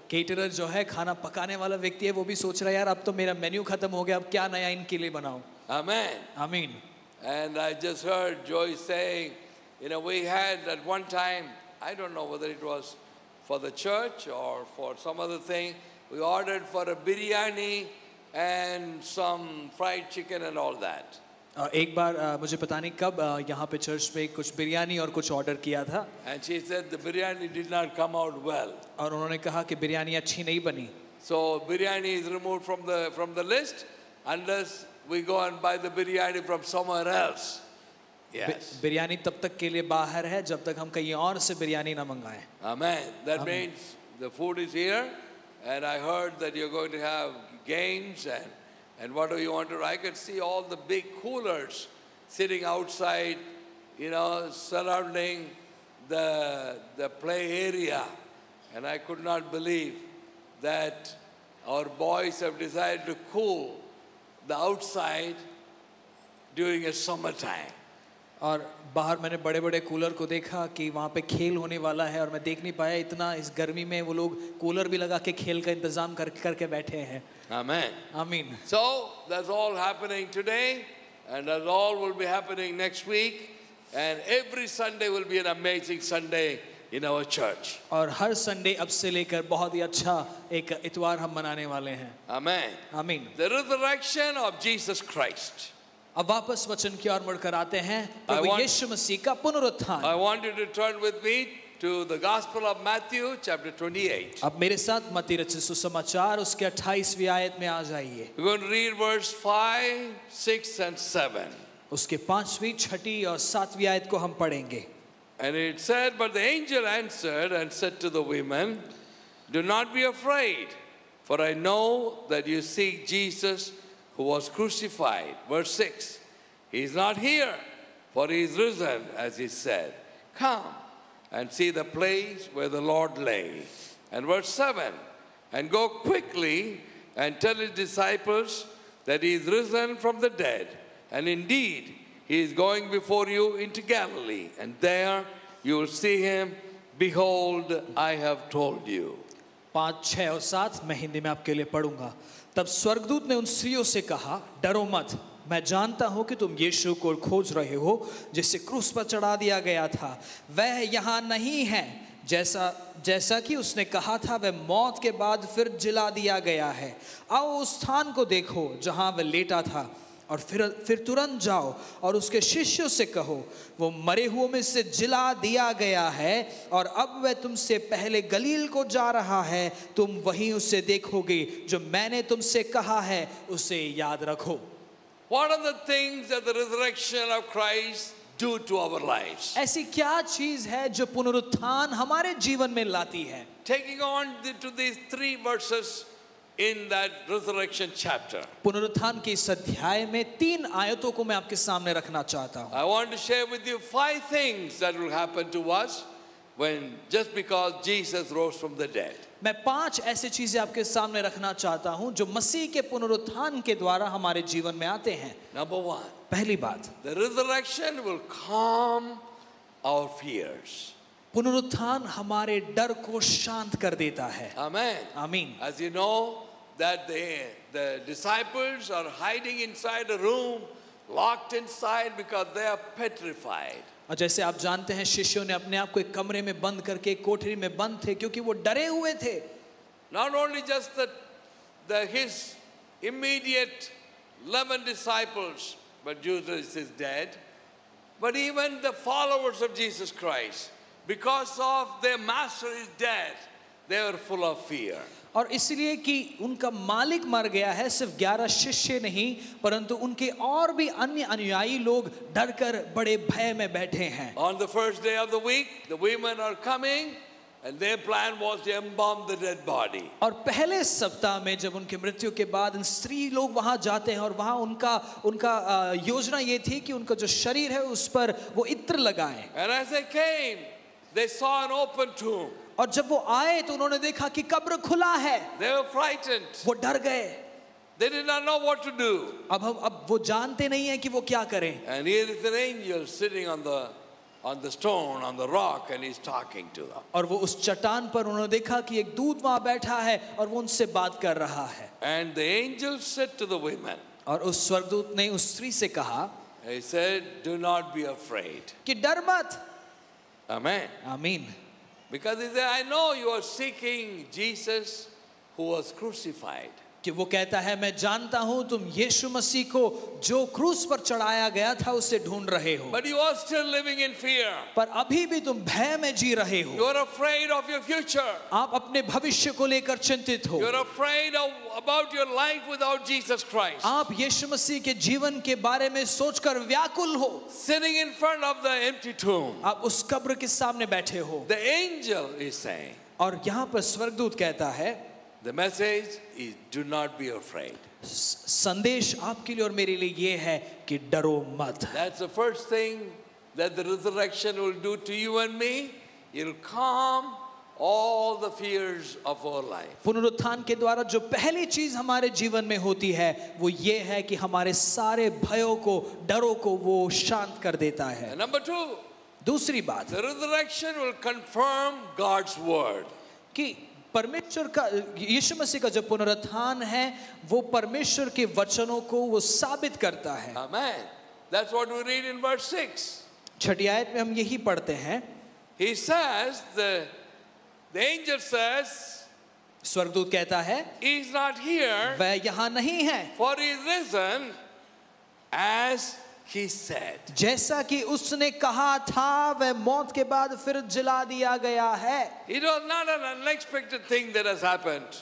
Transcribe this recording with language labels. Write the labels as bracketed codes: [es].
[hi] Caterer जो है, खाना पकाने वाला व्यक्ति है, वो भी सोच रहा है यार अब तो मेरा मेन्यू खत्म हो गया, अब क्या नया इनके लिए बनाऊं. [en] Amen. Amen. And I just heard Joyce saying, you know, we had at one time, I don't know whether it was for the church or for some other thing, we ordered for a biryani and some fried chicken and all that. [hi] एक बार मुझे पता नहीं कब यहाँ पे church पे कुछ बिरयानी और कुछ ऑर्डर किया था. [en] And she said the biryani did not come out well. [hi] और उन्होंने कहा कि बिरयानी अच्छी नहीं बनी. [en] So biryani is removed from the list unless we go and buy the biryani from somewhere else. Yes. [hi] Biryani तब तक के लिए बाहर है जब तक हम कहीं और से बिरयानी ना मंगाएं. [en] Amen. That Amen. Means the food is here, and I heard that you're going to have games and what do you want to do? I could see all the big coolers sitting outside, you know, surrounding the play area, and I could not believe that our boys have decided to cool the outside during a summertime. [hi] और बाहर मैंने बड़े बड़े cooler को देखा कि वहाँ पे खेल होने वाला है और मैं देख नहीं पाया इतना इस गर्मी में वो लोग कूलर भी लगा के खेल का इंतजाम करके बैठे हैं [en] Amen. Amen. So that's all happening today and that all will be happening next week and every Sunday will be an amazing Sunday in our church. [hi] और हर संडे अब से लेकर बहुत ही अच्छा एक इतवार हम मनाने वाले हैं [en] Amen. Amen. The resurrection of Jesus Christ. [hi] अब वापस वचन की ओर मुड़कर आते हैं प्रभु यीशु मसीह का पुनरुत्थान। [en] I want you to turn with me to the Gospel of Matthew, chapter 28. [hi] अब मेरे साथ मत्ती रचित सुसमाचार उसके 28वीं आयत में आ जाइए। [en] We're going to read verse 5, 6, and 7. [hi] उसके 5वीं, 6वीं और 7वीं आयत को हम पढ़ेंगे। [en] And it said, but the angel answered and said to the women, "Do not be afraid, for I know that you seek Jesus." Who was crucified? Verse 6. He is not here, for he is risen, as he said. Come and see the place where the Lord lay. And verse 7. And go quickly and tell his disciples that he is risen from the dead. And indeed, he is going before you into Galilee. And there you will see him. Behold, I have told you. 5, 6, and 7. [hi] मैं हिंदी में आपके लिए पढ़ूंगा. तब स्वर्गदूत ने उन स्त्रियों से कहा डरो मत मैं जानता हूं कि तुम यीशु को खोज रहे हो जिसे क्रूस पर चढ़ा दिया गया था वह यहां नहीं है जैसा कि उसने कहा था वह मौत के बाद फिर जिला दिया गया है आओ उस स्थान को देखो जहां वह लेटा था और फिर तुरंत जाओ और उसके शिष्यों से कहो वो मरे हुओं में से जिला दिया गया है और अब वह तुमसे पहले गलील को जा रहा है तुम वहीं उसे देखोगे जो मैंने तुमसे कहा है उसे याद रखो [en] What are the things that the resurrection of Christ do to our lives? [hi] ऐसी क्या चीज है जो पुनरुत्थान हमारे जीवन में लाती है [en] Taking on to these three verses In that resurrection chapter. [hi] पुनरुत्थान के इस अध्याय में तीन आयतों को मैं आपके सामने रखना चाहता हूँ। [en] I want to share with you five things that will happen to us when just because Jesus rose from the dead. [hi] मैं पांच ऐसी चीजें आपके सामने रखना चाहता हूँ जो मसीह के पुनरुत्थान के द्वारा हमारे जीवन में आते हैं। [en] Number one. [hi] पहली बात। [en] The resurrection will calm our fears. [hi] पुनरुत्थान हमारे डर को शांत कर देता है [en] Amen. Amen. As you know that the disciples are hiding inside a room locked inside because they are petrified [hi] और जैसे आप जानते हैं शिष्यों ने अपने आप को एक कमरे में बंद करके कोठरी में बंद थे क्योंकि वो डरे हुए थे [en] not only just the his immediate 11 disciples but Judas is dead but even the followers of Jesus Christ Because of their master is dead, they were full of fear. [hi] और इसलिए कि उनका मालिक मर गया है सिर्फ 11 शिष्य नहीं परंतु उनके और भी अन्य अनुयायी लोग डरकर बड़े भय में बैठे हैं. [en] On the first day of the week, the women are coming, and their plan was to embalm the dead body. [hi] और पहले सप्ताह में जब उनके मृत्यु के बाद इन स्त्री लोग वहाँ जाते हैं और वहाँ उनका उनका योजना ये थी कि उनका जो शरीर है उस पर वो इत्र लगाएं. [en] And as they came. They saw an open tomb. [hi] और जब वो आए तो उन्होंने देखा कि कब्र खुला है. [en] They were frightened. [hi] वो डर गए. [en] They did not know what to do. [hi] अब वो जानते नहीं हैं कि वो क्या करें. [en] And here is an angel sitting on the stone, on the rock, and he's talking to them. [hi] और वो उस चट्टान पर उन्होंने देखा कि एक दूत वहाँ बैठा है और वो उनसे बात कर रहा है. [en] And the angel said to the women. [hi] और उस स्वर्गदूत ने उस स्त्री से कहा. [en] He said, "Do not be afraid." [hi] कि डर मत. [en] Amen. Amen. Because he said, "I know you are seeking Jesus, who was crucified." [hi] कि वो कहता है, मैं जानता हूँ तुम यीशु मसीह को जो क्रूस पर चढ़ाया गया था उसे ढूंढ रहे हो. [en] But you are still living in fear. [hi] पर अभी भी तुम भय में जी रहे हो. [en] You are afraid of your future. [hi] आप अपने भविष्य को लेकर चिंतित हो. [en] You are afraid about your life without Jesus Christ. [hi] आप यीशु मसीह के जीवन के बारे में सोचकर व्याकुल हो. [en] Sitting in front of the empty tomb. [hi] आप उस कब्र के सामने बैठे हो. [en] The angel is saying. [hi] और यहाँ पर स्वर्गदूत कहता है. [en] The message is, do not be afraid. [hi] संदेश आपके लिए और मेरे लिए ये है कि डरो मत. [en] That's the first thing that the resurrection will do to you and me. It'll calm all the fears of our life. [hi] पुनरुत्थान के द्वारा जो पहली चीज हमारे जीवन में होती है वो ये है कि हमारे सारे भयों को डरों को वो शांत कर देता है. [en] Number two. [hi] दूसरी बात. [en] The resurrection will confirm God's word. [hi] कि परमेश्वर का यीशु मसीह का जो पुनरुत्थान है वो परमेश्वर के वचनों को वो साबित करता है. [en] Amen. That's what we read in verse 6. [hi] छठी आयत में हम यही पढ़ते हैं. [en] He says the angel says. [hi] स्वर्गदूत कहता है. [en] He is not here. [hi] वह यहाँ नहीं है. [en] For his reason, as he said. [hi] जैसा कि उसने कहा था वह मौत के बाद फिर जिला दिया गया है. [en] It was not an unexpected thing that has happened.